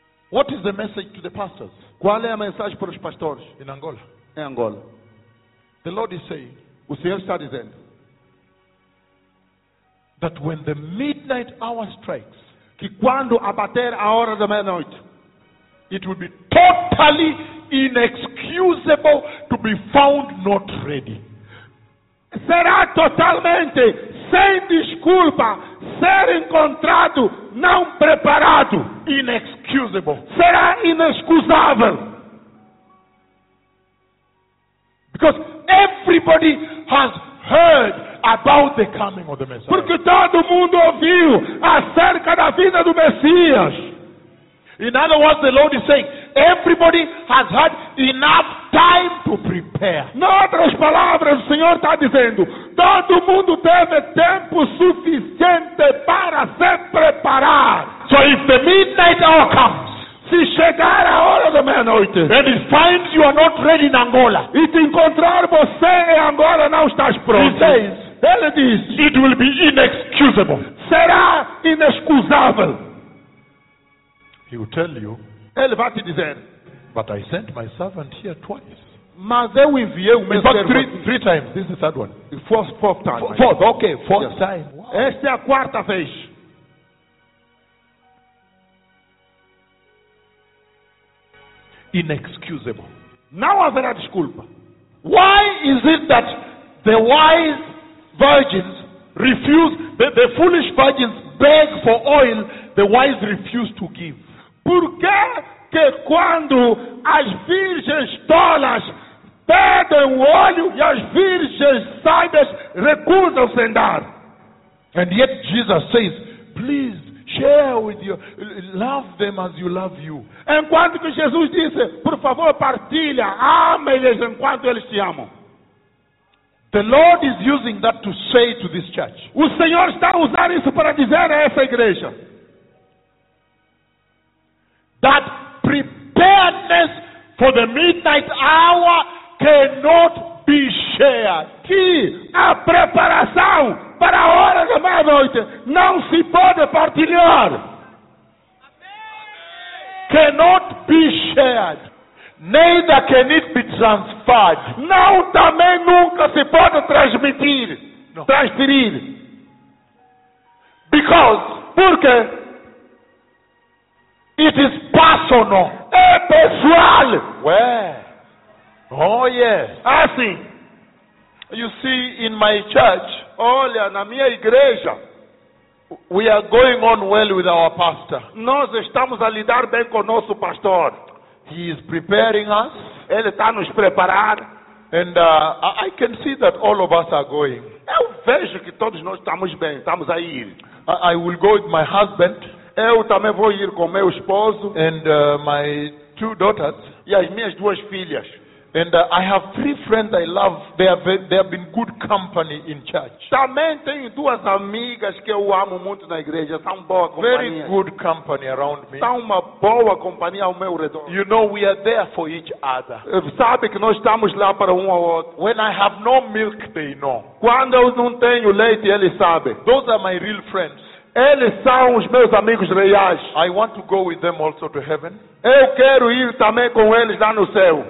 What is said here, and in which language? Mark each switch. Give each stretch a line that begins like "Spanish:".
English: What is the message to the pastors?
Portuguese: Qual é a mensagem para os pastores?
English: In Angola.
Portuguese: Em Angola.
English: The Lord is saying.
Portuguese: O Senhor está dizendo.
English: That when the midnight hour strikes.
Portuguese: Que quando abater a hora da meia-noite.
English: It will be totally inexcusable to be found not ready.
Portuguese: Será totalmente sem desculpa ser encontrado não preparado.
English: Inexcusable.
Portuguese: Será inexcusável.
English: Because everybody has heard about the coming of the Messiah.
Portuguese: Porque todo mundo ouviu acerca da vinda do Messias.
English: In other words, the Lord is saying, everybody has had enough time to prepare.
Portuguese: Em outras palavras, o Senhor está dizendo, todo mundo teve tempo suficiente para se preparar.
English: So if the midnight hour comes,
Portuguese: se chegar a hora da meia-noite,
English: and it finds you are not ready in Angola,
Portuguese: e te encontrar você em Angola não estás pronto,
English: he says,
Portuguese: ele diz,
English: it will be inexcusable.
Portuguese: Será inexcusável.
English: He will tell you,
Portuguese: ele vai te dizer,
English: but I sent my servant here twice.
Portuguese: Mas eu enviei o meu servo.
English: Three times. This is the third one. Fourth time. Fourth. Okay. Fourth yes. Time.
Portuguese: Wow. Esta é a quarta vez.
English: Inexcusable.
Portuguese: Não haverá desculpa.
English: Why is it that the wise virgins refuse, the foolish virgins beg for oil, the wise refuse to give?
Portuguese: Por que que quando as virgens tolas pedem o óleo e as virgens sábias recusam-se em dar?
English: And yet Jesus says, please share with you, love them as you love you.
Portuguese: Enquanto que Jesus disse, por favor partilha, ame-lhes enquanto eles te amam.
English: The Lord is using that to say to this church.
Portuguese: O Senhor está usando isso para dizer a essa igreja.
English: That preparedness for the midnight hour cannot be shared.
Portuguese: Que a preparação para a hora da meia-noite não se pode partilhar. Amém.
English: Cannot be shared. Neither can it be transferred.
Portuguese: Não, também nunca se pode transmitir.
English: No.
Portuguese: Transferir.
English: Because.
Portuguese: Porque.
English: It is personal.
Portuguese: É pessoal.
English: Where? Oh, yes.
Portuguese: Assim.
English: You see, in my church.
Portuguese: Olha, na minha igreja.
English: We are going on well with our pastor.
Portuguese: Nós estamos a lidar bem com o nosso pastor.
English: He is preparing us.
Portuguese: Ele está nos preparar.
English: And I can see that all of us are going.
Portuguese: Eu vejo que todos nós estamos bem, estamos a ir.
English: I will go with my husband.
Portuguese: Eu também vou ir com meu esposo.
English: And my two daughters.
Portuguese: E as minhas duas filhas.
English: And I have three friends I love. They have been good company in church.
Portuguese: Também tenho duas amigas que eu amo muito na igreja. São boa companhia.
English: Very good company around me.
Portuguese: São uma boa companhia ao meu redor.
English: You know we are there for each other.
Portuguese: Sabe que nós estamos lá para um ao outro.
English: When I have no milk, they know.
Portuguese: Quando eu não tenho leite, eles sabem.
English: Those are my real friends.
Portuguese: Eles são os meus amigos reais.
English: I want to go with them also to heaven.
Portuguese: Eu quero ir também com eles lá no céu.